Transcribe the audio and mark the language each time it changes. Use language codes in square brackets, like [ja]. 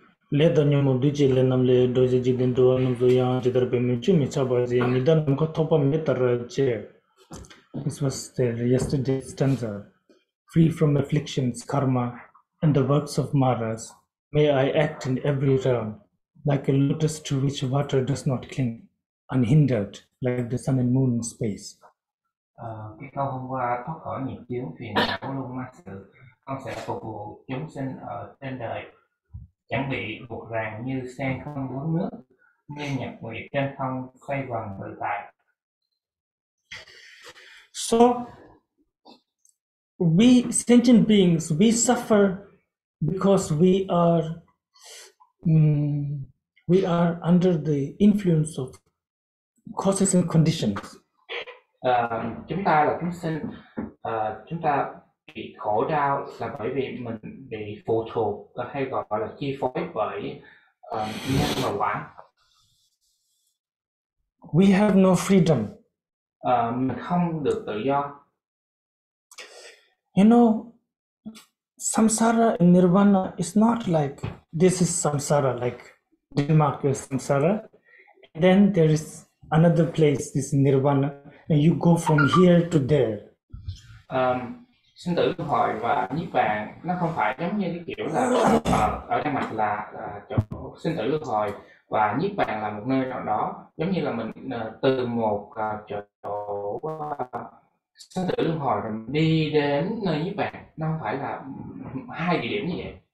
[en] Lê tân nhu mục đích lên năm lê doji di đình đô an dù yang chị đập mì chu mì chaba di mì đâm mì có topa mì tà ra chê. This was the yesterday's stanza. Free from afflictions, karma, and the works of Maras, may I act in every realm, like a lotus to which water does not cling, unhindered, like the sun and moon in space. [vi] Cái câu hôm qua thoát khỏi nghiệp chướng phiền não luôn ma sự, con sẽ phục vụ chúng sinh ở trên đời, chẳng bị buộc ràng như sen không bướm nước, như nhật nguyệt trên không xoay vòng tự tại. [en] So we sentient beings, we suffer because we are under the influence of causes and conditions. [vi] Chúng ta là chúng sinh, chúng ta bị khổ đau là bởi vì mình bị phụ thuộc hay gọi là chi phối bởi nhân và quả. [en] We have no freedom. [vi] Mình không được tự do. [en] You know, samsara and nirvana is not like this is samsara, like Denmark is samsara. And then there is another place, this nirvana, and you go from here to there. [vi] Sinh tử luân hồi và niết bàn nó không phải giống như cái kiểu là ở Đan Mạch là chỗ sinh tử luân hồi và niết bàn là một nơi nào đó, giống như là mình từ một chỗ sinh tử luân hồi rồi đi đến nơi niết bàn, nó không phải là hai địa điểm như vậy.